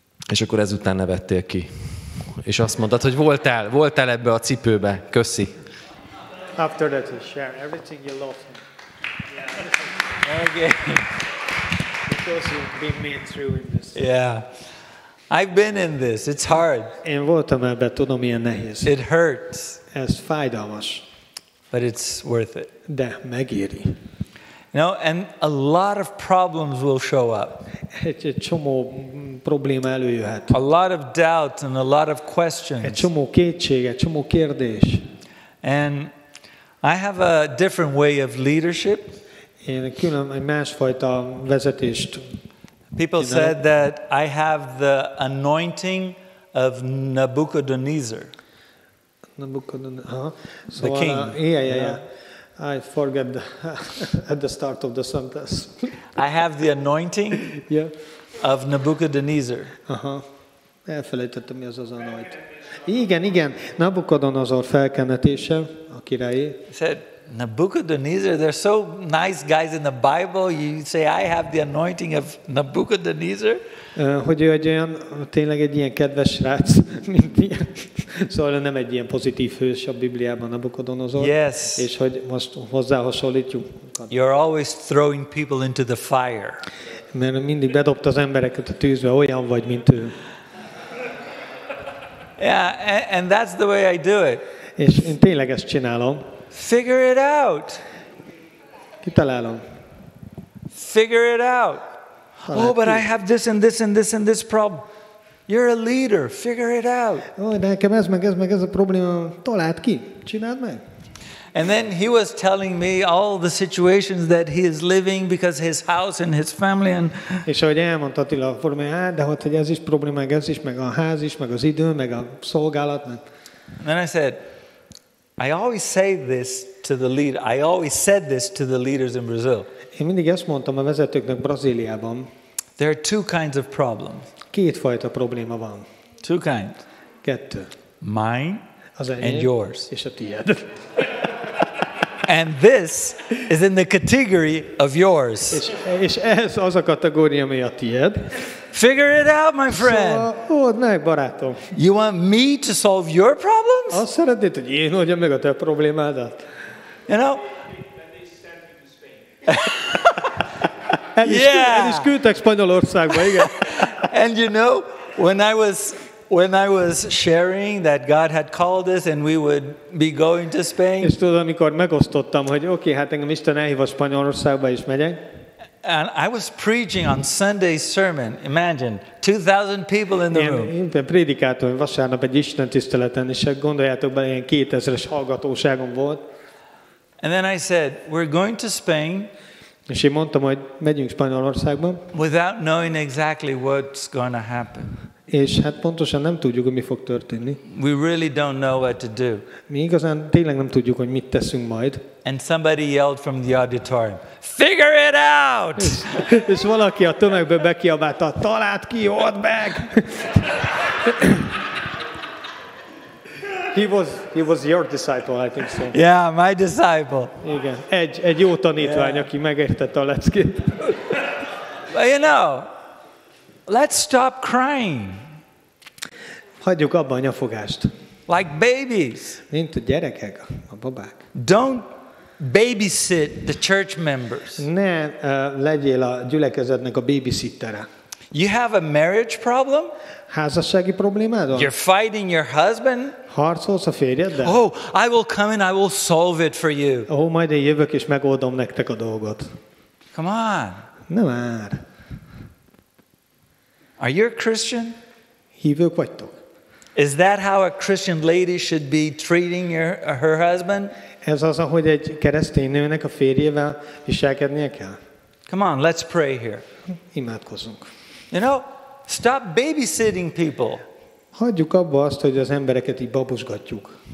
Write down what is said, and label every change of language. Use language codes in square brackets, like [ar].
[hu] És akkor ezután nevettél ki. És azt mondtad, hogy voltál ebbe a cipőbe. Köszi. [en] After that you share everything you lost. Yeah. Okay. Because you've been made through in this. Yeah. I've been in this. It's hard. [hu] Én voltam ebbe, tudom, milyen nehéz. [en] It hurts. [hu] Ez fájdalmas. [en] But it's worth it. [hu] De megéri. [en] No, and a lot of problems will show up. [hu] Egy csomó probléma előjöhet. [en] A lot of doubts and a lot of questions. [hu] Egy csomó kétség, egy csomó kérdés. [en] And I have a different way of leadership. [hu] Én külön egy másfajta vezetést. [en] People said that I have the anointing of Nabucodonosor. [hu] Nabucodonosor. [en] The king. Yeah. I forget at the start of the sentence. I have the anointing of Nebuchadnezzar. Aha. [hu] Elfelejtettem, mi az az anointing. Igen. Nabucodonosor felkenetése, a királyé. [en] Said Nebuchadnezzar, they're so nice guys in the Bible. You say I have the anointing of Nebuchadnezzar. [hu] Hogy ő egy olyan, tényleg egy ilyen kedves srác, mint ilyen. Szóval nem egy ilyen pozitív hős a Bibliában, Nabucodonosor. [en] Yes. [hu] És hogy most hozzá hasonlítjuk. [en] You're always throwing people into the fire. [hu] Mert mindig bedobta az embereket a tűzbe, olyan vagy, mint ő. [en] Yeah, and that's the way I do it. [hu] És én tényleg ezt csinálom. [en] Figure it out. [hu] Kitalálom. [en] Figure it out. Oh, but I have this and this and this and this problem. You're a leader. Figure it out. [hu] Oh, de nekem ez a probléma. Találd ki. Csináld meg. [en] And then he was telling me all the situations that he is living because his house and his family and. [hu] És ahogy elmondta Attila, de hogy ez is probléma, ez is, meg a ház is, meg az idő, meg a szolgálat. [en] And then I said, I always say this to the lead. I always said this to the leaders in Brazil. [hu] Én mindig ezt mondtam a vezetőknek Brazíliában. [en] There are two kinds of problems. [hu] Kétfajta probléma van. [en] Two kinds. [hu] Kettő. [en] Mine [hu] az enyém, [en] and yours. [hu] És a tiéd. [en] And this is in the category of yours. [hu] És ez az a kategória, ami a tiéd. [en] Figure it out, my friend. [hu] Old meg, barátom. [en] You want me to solve your problems? [hu] Azt szeretnéd, hogy én oldjam meg a te problémádat. [en] You know? [hu] El is küldtek Spanyolországba, igen. [en] And you know, when I was sharing that God had called us and we would be going to Spain. [hu] És tudod, amikor megosztottam, hogy oké, hát engem Isten elhívott Spanyolországba is megyek. [en] And I was preaching on Sunday's sermon. Imagine 2,000 people in the room. [hu] Én prédikáltam vasárnap egy Isten tiszteleten, és gondoljátok bele, ilyen 2000-es hallgatóságom volt. [en] And then I said, we're going to Spain. [hu] És én mondtam, hogy megyünk Spanyolországba. [en] Without knowing exactly what's going to happen. [hu] És hát pontosan nem tudjuk, hogy mi fog történni. [en] We really don't know what to do. [hu] Mi igazán tényleg nem tudjuk, hogy mit teszünk majd. [en] And somebody yelled from the auditorium, figure it out! [hu] És valaki a tömegbe bekiabálta, találd ki, old meg! [en] He was your disciple, I think so. Yeah, my disciple. [hu] Igen, egy jó tanítvány, aki megértette a leckét. [en] But you know, let's stop crying. [hu] Hagyjuk abba a nyafogást. [en] Like babies. [hu] Mint a gyerekek, a babák. [en] Don't babysit the church members. [hu] Ne legyél a gyülekezetnek a babysittere. [en] You have a marriage problem? [hu] Házassági problémád van? [en] You're fighting your husband? [hu] Harcolsz a férjeddel? [en] Oh, I will come and I will solve it for you. [hu] Oh, majd én jövök és megoldom nektek a dolgot. [en] Come on. [hu] Ne már. [en] Are you a Christian? [hu] Hívők vagytok? [en] Is that how a Christian lady should be treating her husband? [hu] Ez az, ahogy egy keresztény nőnek a férjével viselkednie kell? [en] Come on, let's pray here. [hu] Imádkozzunk. [en] You know, stop babysitting people. [hu] Hagyjuk abba azt, hogy az embereket így babosgatjuk.